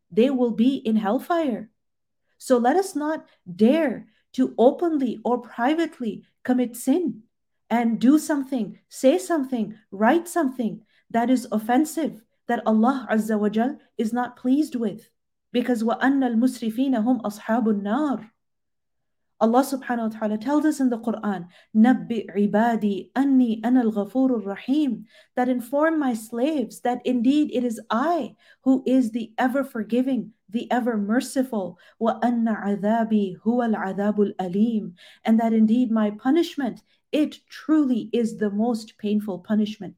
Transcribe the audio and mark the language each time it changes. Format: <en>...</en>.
<en>They will be in hellfire. So let us not dare to openly or privately commit sin and do something, say something, write something that is offensive, that Allah Azza wa Jal is not pleased with. Because</en> <ar>وَأَنَّ الْمُسْرِفِينَ هُمْ أَصْحَابُ النَّارِ.</ar> <en>Allah subhanahu wa ta'ala tells us in the Quran,</en> <ar>نَبِّ عِبَادِي أَنِّي أَنَا الْغَفُورُ الرَّحِيمُ,</ar> <en>that inform my slaves that indeed it is I who is the ever-forgiving, the ever-merciful.</en> <ar>وَأَنَّ عَذَابِي هُوَ الْعَذَابُ الْأَلِيمُ,</ar> <en>and that indeed my punishment, it truly is the most painful punishment.</en>